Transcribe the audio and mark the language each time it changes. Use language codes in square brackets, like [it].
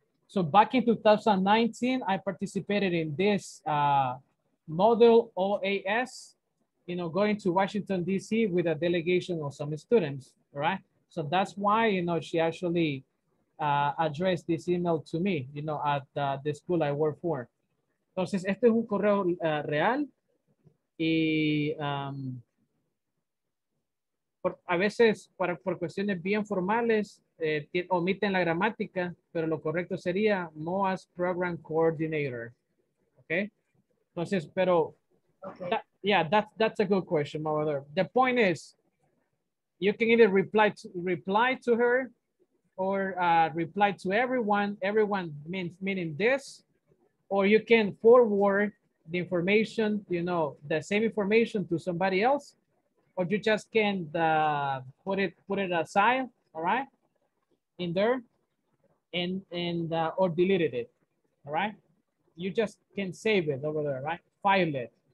[en] So back in 2019, I participated in this model OAS, you know, going to Washington, D.C. with a delegation of some students, right? So that's why, you know, she actually addressed this email to me, you know, at the school I work for. [es] Entonces, este es un correo real. Y a veces, por cuestiones bien formales, omiten la gramática, pero lo correcto sería MOAS Program Coordinator, okay? Entonces, pero... [en] Okay. Yeah, that's a good question, my mother. The point is, you can either reply to her or reply to everyone. Everyone meaning this, or you can forward the information, you know, the same information to somebody else, or you just can put it aside, all right, in there, and or deleted it, all right? You just can save it over there, right? File it.